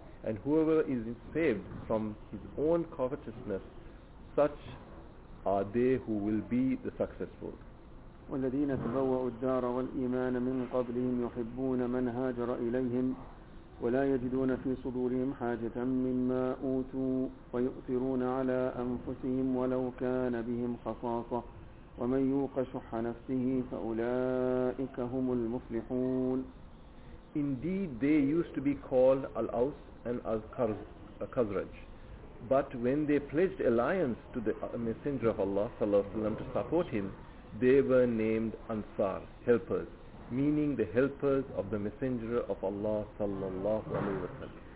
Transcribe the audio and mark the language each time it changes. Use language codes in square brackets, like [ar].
[en] And whoever is saved from his own covetousness, such are they who will be the successful. [ar] والذين تبوأوا الدار والإيمان من قبلهم يحبون من هاجر إليهم ولا يجدون في صدورهم حاجة مما أوتوا ويؤثرون على أنفسهم ولو كان بهم خصاصة ومن يوق شح نفسه فأولئك هم المفلحون. [en] Indeed, they used to be called Al-Aus and Al-Khazraj, but when they pledged alliance to the Messenger of Allah sallallahu alaihi wasallam to support him, they were named Ansar, helpers, meaning the helpers of the Messenger of Allah sallallahu alaihi wasallam.